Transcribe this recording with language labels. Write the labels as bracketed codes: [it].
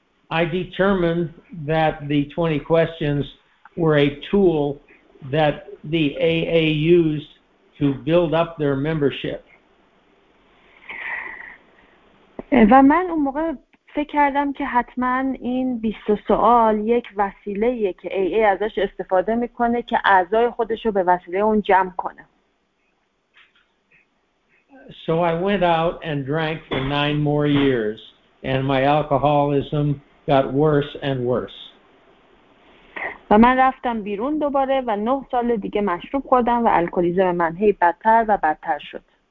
[en] I determined that the 20 questions were a tool that the AA used to build up their membership. [fa] و من اون موقع فکر کردم که حتما این 20 سوال یک وسیله ایه که AA ازش استفاده میکنه که اعضای خودش رو به وسیله اون جمع کنه. [en] so I went out and drank for 9 more years, and my alcoholism got worse and worse. [fa] و من رفتم بیرون دوباره و 9 سال دیگه مشروب خوردم و الکلیزم من هی بدتر و بدتر شد.